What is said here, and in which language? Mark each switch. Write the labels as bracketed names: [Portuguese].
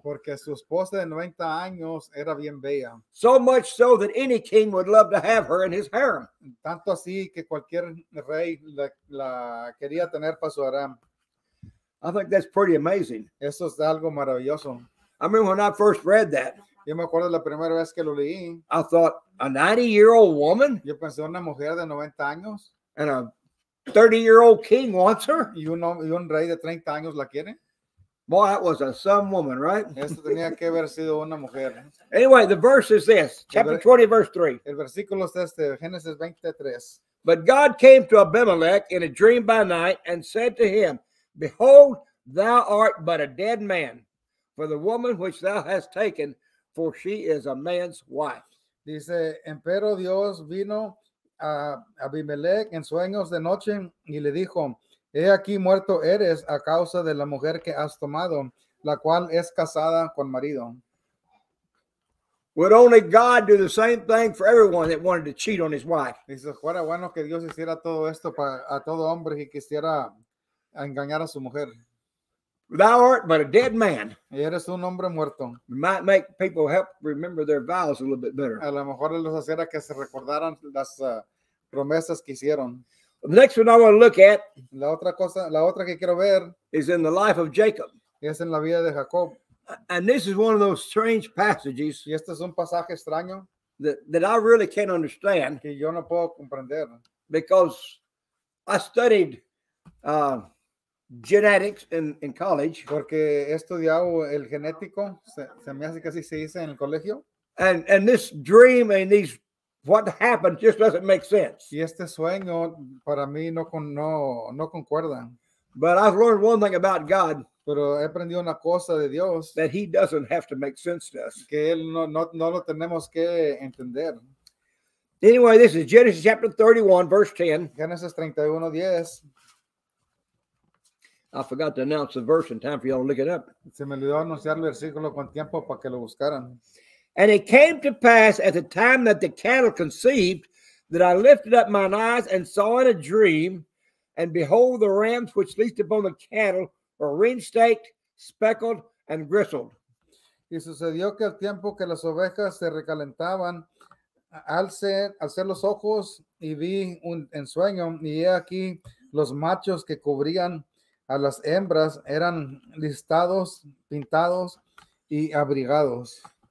[Spanish] Porque su esposa de 90 años era bien bella. [English] So much so that any king would love to have her in his harem. [Spanish] Tanto así que cualquier rey la quería tener para su harem. [English] I think that's pretty amazing. [Spanish] Eso es algo maravilloso. [English] I mean, when I first read that, [Spanish] yo me acuerdo la primera vez que lo leí, [English] I thought, a 90-year-old woman? [Spanish] Yo pensé, una mujer de 90 años. [English] And a 30-year-old king wants her? [Spanish] Y un rey de 30 años la quiere? [English] Boy, that was a some woman, right? [Spanish] Esto tenía que haber sido una mujer. [English] Anyway, the verse is this, chapter 20, verse 3. [Spanish] El versículo es este, Génesis 23. [English] But God came to Abimelech in a dream by night and said to him, behold, thou art but a dead man, for the woman which thou hast taken, for she is a man's wife. [Spanish] Dice, empero Dios vino a Abimelech en sueños de noche y le dijo, he aquí muerto eres a causa de la mujer que has tomado, la cual es casada con marido. [English] Would only God do the same thing for everyone that wanted to cheat on his wife? [Spanish] Dice, fuera bueno que Dios hiciera todo esto para a todo hombre que quisiera engañar a su mujer. [English] Thou art but a dead man. [Spanish] Eres un hombre muerto. [English] Might make people help remember their vows a little bit better. [Spanish] A lo mejor los hacía que se recordaran las promesas que hicieron. [English] The next one I want to look at. [Spanish] La otra que quiero ver [English] is in the life of Jacob. [Spanish] Es en la vida de Jacob. [English] And this is one of those strange passages. [Spanish] Y este es un pasaje extraño [English] that I really can't understand. [Spanish] Que yo no puedo comprender. [English] Because I studied genetics in college. [Spanish] Porque he estudiado el genético, se me hace que así se dice en el colegio. [English] And this dream and these what happened just doesn't make sense. [Spanish] Y este sueño para mí no concuerda. [English] But I've learned one thing about God. [Spanish] Pero he aprendido una cosa de Dios. [English] That he doesn't have to make sense to us. [Spanish] Que él no lo tenemos que entender. [English] Anyway, this is Genesis chapter 31, verse 10. [Spanish] Génesis 31, 10. [English] I forgot to announce the verse in time for y'all to look it up. [Spanish] Se me olvidó anunciar el versículo con tiempo para que lo buscaran. [English] And it came to pass at the time that the cattle conceived that I lifted up mine eyes and saw in a dream, and behold, the rams which leased upon the cattle were ring-staked, speckled, and gristled. [Spanish] Y sucedió que al tiempo que las ovejas se recalentaban, alcé los ojos y vi un en sueño, y he aquí los machos que cubrían a las hembras eran listados, pintados y abrigados.